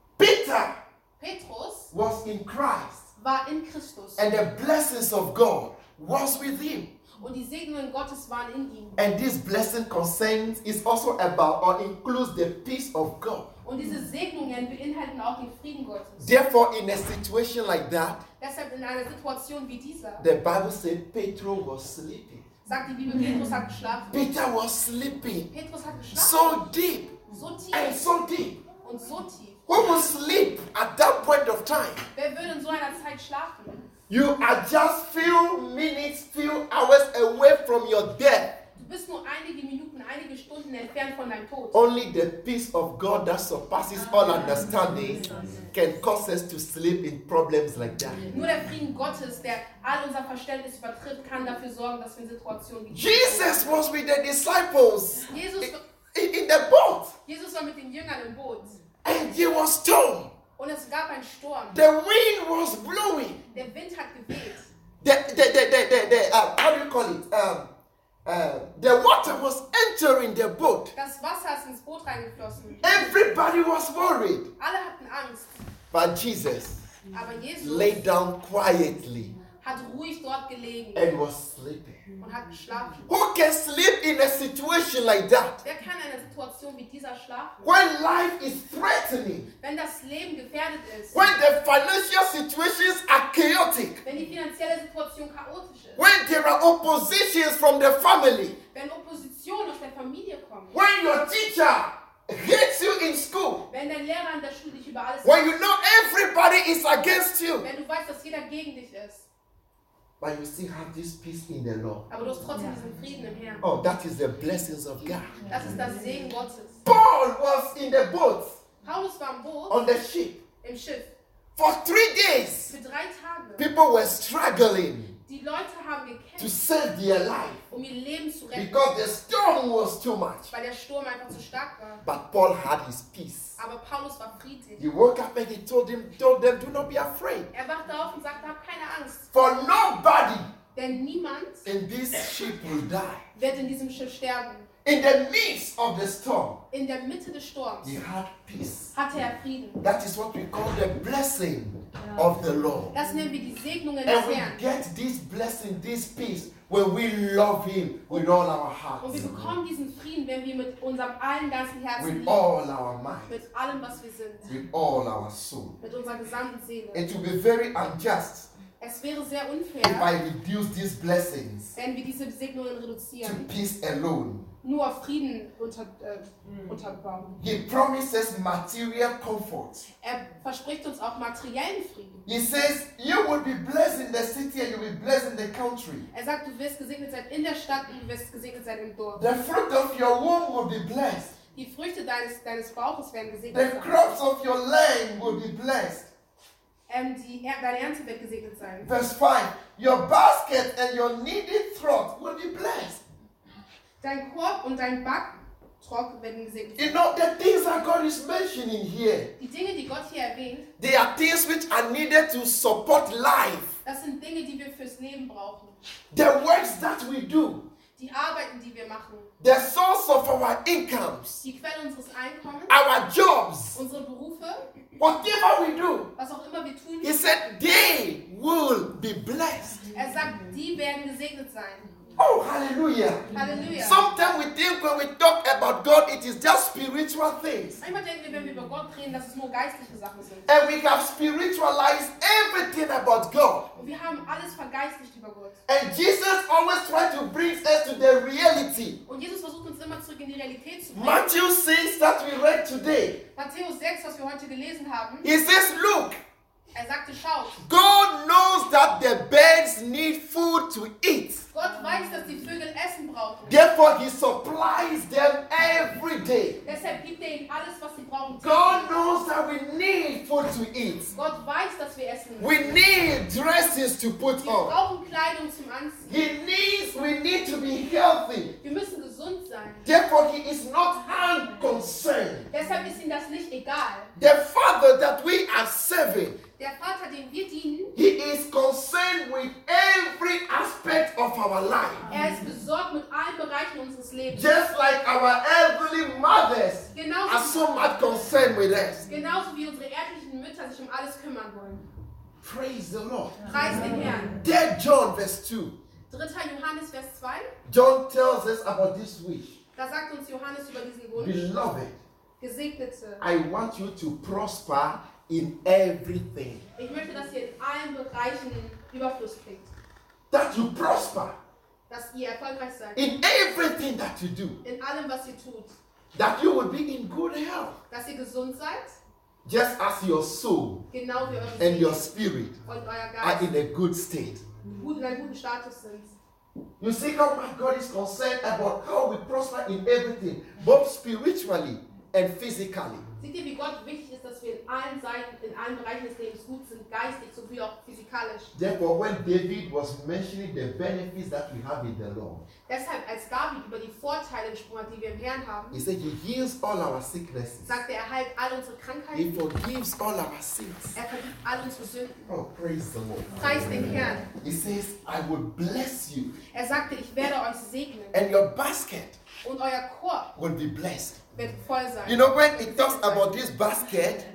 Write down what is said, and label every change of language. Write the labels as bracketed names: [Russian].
[English] Peter. [German] Petrus. [English] Was in Christ. [German] War in Christus. [English] And the blessings of God was with him. [German] Und die Segnungen Gottes waren in ihm. [English] And this blessing concerns is also about or includes the peace of God. [German] Und diese Segnungen beinhalten auch den Frieden Gottes. [English] Therefore, in a situation like that. [German] Deshalb in einer Situation wie dieser. [English] The Bible said Petrus was sleeping. [German] Sagt die Bibel, Petrus hat geschlafen. [English] Peter was sleeping. [German] Petrus hat geschlafen. [English] So deep. [German] So tief. [English] And so deep. [German] Und so tief. [English] Who will sleep at that point of time? [German] Wer würde in so einer Zeit schlafen? [English] You are just few minutes, few hours away from your death. [German] Du bist nur einige Minuten, einige Stunden entfernt von deinem Tod. [English] Only the peace of God that surpasses all understanding can cause us to sleep in problems like that. [German] Nur der Frieden Gottes, der all unser Verständnis übertrifft, kann dafür sorgen, dass wir in Situationen wie [English] Jesus was with the disciples. [German] Jesus [English] in the boat. [German] Jesus war mit den Jüngern im Boot. [English] And he was storm. [German] Und es gab einen Sturm. [English] The wind was blowing. [German] Der Wind hat geweht. [English] How do you call it? The water was entering the boat. [German] Das Wasser ist ins Boot reingeflossen. [English] Everybody was worried. [German] Alle hatten Angst. [English] But Jesus, [German] aber Jesus [English] lay down quietly. [German] Hat ruhig dort gelegen. [English] And was sleeping. [German] Und hat geschlafen. [English] Who can sleep in a situation like that? [German] Wer kann in einer Situation wie dieser schlafen? [English] When life is threatening. [German] Wenn das Leben gefährdet ist. [English] When the financial situations are chaotic. [German] Wenn die finanzielle Situation chaotisch ist. [English] When there are oppositions from the family. [German] Wenn Opposition aus der Familie kommt. [English] When your teacher hits you in school. [German] Wenn dein Lehrer in der Schule dich über alles. [English] When you know everybody is against you. [German] Wenn du weißt, dass jeder gegen dich ist. [English] But you still have this peace in the Lord. [German] Aber du hast trotzdem diesen Frieden im Herrn. [English] Oh, that is the blessings of God. [German] Das ist das Segen Gottes. [English] Paul was in the boat. [German] Paulus war im Boot. [English] On the ship. [German] Im Schiff. [English] For 3 days. [German] Für 3 Tage. [English] People were struggling. [German] Die Leute haben gekämpft. [English] To save their life. [German] Um ihr Leben zu retten. [English] Because the storm was too much. [German] Weil der Sturm einfach zu stark war. [English] But Paul had his peace. [German] Aber Paulus war friedlich. [English] He woke up and he told them, do not be afraid. [German] Er wachte auf und sagte, hab keine Angst. [English] For nobody. [German] Denn niemand. [English] In this ship will die. [German] Wird in diesem Schiff sterben. [English] In the midst of the storm. [German] In der Mitte des Sturms. [English] He had peace. [German] Hatte er Frieden. [English] That is what we call the blessing. Yeah. Of the Lord. [German] Das nennen wir die Segnungen des Herrn. [English] And we get this blessing, this peace, when we love Him with all our hearts. [German] Und wir bekommen diesen Frieden, wenn wir mit unserem allen ganzen Herzen lieben. [English] With all our mind. [German] Mit allem, was wir sind. [English] With all our soul. [German] Mit unserer gesamten Seele. [English] It will be very unjust. [German] Es wäre sehr unfair. [English] If I reduce these blessings. [German] Wenn wir diese Segnungen reduzieren. [English] To peace alone. [German] Nur auf Frieden unterbauen. [English] He promises material comfort. [German] Er verspricht uns auch materiellen Frieden. [English] He says, you will be blessed in the city and you will be blessed in the country. [German] Er sagt, du wirst gesegnet sein in der Stadt und du wirst gesegnet sein im Dorf. [English] The fruit of your womb will be blessed. [German] Die Früchte deines Bauches werden gesegnet. [English] The crops of your land will be blessed. [German] Deine Ernte wird gesegnet sein. [English] Verse 5, your basket and your kneaded trough will be blessed. [German] Dein Korb und dein Backtrog werden gesegnet. [English] You know the things that God is mentioning here. [German] Die Dinge, die Gott hier erwähnt. [English] They are things which are needed to support life. [German] Das sind Dinge, die wir fürs Leben brauchen. [English] The works that we do. [German] Die Arbeiten, die wir machen. [English] The source of our incomes. [German] Die Quelle unseres Einkommens. [English] Our jobs. [German] Unsere Berufe. [English] Whatever we do. [German] Was auch immer wir tun. [English] He said they will be blessed. [German] Er sagt, die werden gesegnet sein. [English] Oh, hallelujah. [German] Hallelujah. [English] Sometimes we think when we talk about God, it is just spiritual things. And we have spiritualized everything about God. [German] Und wir haben alles vergeistlicht über Gott. [English] And Jesus always tries to bring us to the reality. [German] Und Jesus versucht uns immer zurück in die Realität zu bringen. [English] Matthew 6 that we read today. [German] Matthäus 6, was wir heute gelesen haben. [English] He says, look. [German] Er sagte, schau. [English] God knows that the birds need food to eat. [German] Gott weiß, dass die Vögel Essen brauchen. [English] Therefore, He supplies them every day. [German] Deshalb gibt er ihnen alles, was sie brauchen. [English] God knows that we need food to eat. [German] Gott weiß, dass wir essen müssen. [English] We need dresses to put on. [German] Wir brauchen Kleidung zum Anziehen. [English] We need to be healthy. [German] Wir müssen gesund sein. [English] Therefore, He is not unconcerned. [German] Deshalb ist ihm das nicht egal. [English] The Father that we are serving. [German] Der Vater, den wir dienen, [English] he is concerned with every aspect of our life. [German] Er ist besorgt mit allen Bereichen unseres Lebens. [English] Just like our heavenly mothers [German] genauso [English] are so much concerned with us. [German] Genauso wie unsere erdlichen Mütter sich um alles kümmern wollen. [English] Praise the Lord. [German] Preis den Herrn. [English] Dear John, verse 2. [German] Dritter Johannes, Vers 2. [English] John tells us about this wish. [German] Da sagt uns Johannes über diesen Wunsch. [English] Beloved. [German] Gesegnete. [English] I want you to prosper in everything. [German] Ich möchte, dass ihr in allen Bereichen Überfluss kriegt. [English] That you prosper. [German] Dass ihr erfolgreich seid. [English] In everything that you do. [German] In allem, was ihr tut. [English] That you will be in good health. [German] Dass ihr gesund seid. [English] Just as your soul. [German] Genau wie eure Seele. [English] And your spirit. [German] Und euer Geist. [English] Are in a good state. [German] Gut in einem guten Status sind. [English] You see how my God is concerned about how we prosper in everything, both spiritually and physically. [German] Seht ihr, wie Gott wichtig ist, dass wir in allen Seiten, in allen Bereichen des Lebens gut sind, geistig sowie auch physikalisch. [English] Therefore, when David was mentioning the benefits that we have in the Lord. [German] Deshalb, als David über die Vorteile gesprochen hat, die wir im Herrn haben. [English] He said, he heals all our sicknesses. [German] Sagte, er heilt all unsere Krankheiten. [English] He forgives all our sins. [German] Er vergibt all unsere Sünden. [English] Oh, praise the Lord. [German] Preist den Herrn. [English] He says, I will bless you. [German] Er sagte, ich werde euch segnen. [English] And your basket. [German] Und euer Korb. [English] Will be blessed. [German] Wird voll sein. [English] You know, when it talks about this basket,